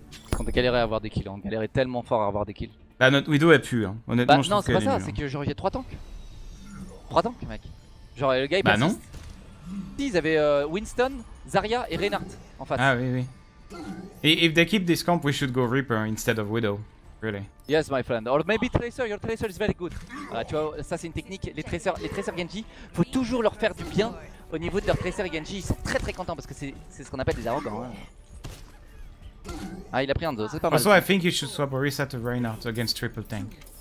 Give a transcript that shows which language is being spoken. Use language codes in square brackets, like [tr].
[fr] Quand t'as galéré à avoir des kills, on galérait tellement fort à avoir des kills. Bah, notre widow elle pue, hein. Honnêtement, bah, non, c'est pas ça. C'est que genre, il y a 3 tanks. 3 tanks, mec. Genre, le gars, il passe. Ils avaient Winston, Zarya et Reinhardt en face. Ah oui. [en] If they keep this camp, we should go Reaper instead of Widow. Really. Yes, my friend. Or maybe Tracer, your Tracer is very good. [fr] Tu vois, ça c'est une technique. Les Tracer Genji, faut toujours leur faire du bien au niveau de leur Tracer Genji. Ils sont très très contents parce que c'est ce qu'on appelle des arrogants. Hein. Ah, il a pris un 2, c'est pas [en] also, [fr] mal. [en] Also, I think you should swap Orisa to Reinhardt against triple tank.